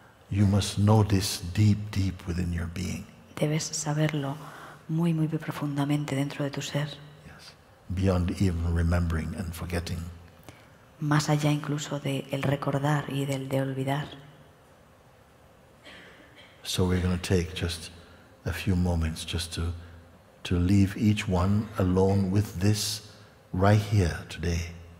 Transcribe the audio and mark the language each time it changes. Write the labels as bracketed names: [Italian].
[English] You must know this deep, deep within your being. [Spanish] Debes saberlo muy, muy profundamente dentro de tu ser. [English] Yes. Beyond even remembering and forgetting. [Spanish] Más allá incluso de el recordar y del de olvidar. [English] So we're going to take just a few moments just to leave each one alone with this right here today.